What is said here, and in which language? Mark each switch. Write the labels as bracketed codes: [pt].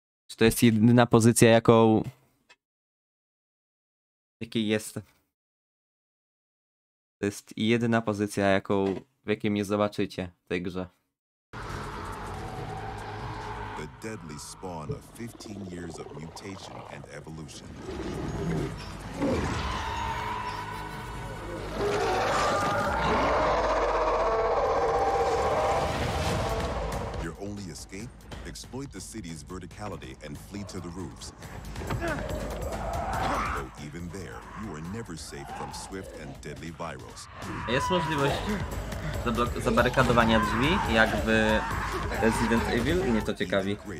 [pl] Czy to jest jedyna pozycja, jaką... Jakiej jest... To jest jedyna pozycja, jaką w jakiej mnie zobaczycie w tej grze. [en] The deadly spawn of 15 years of mutation and evolution. Your only escape? Exploit the city's verticality and flee to the roofs. Though even there, you are never safe from swift and deadly virals. [pl] Jest możliwość zabarykadowania drzwi, jak w Resident Evil, mnie to ciekawi.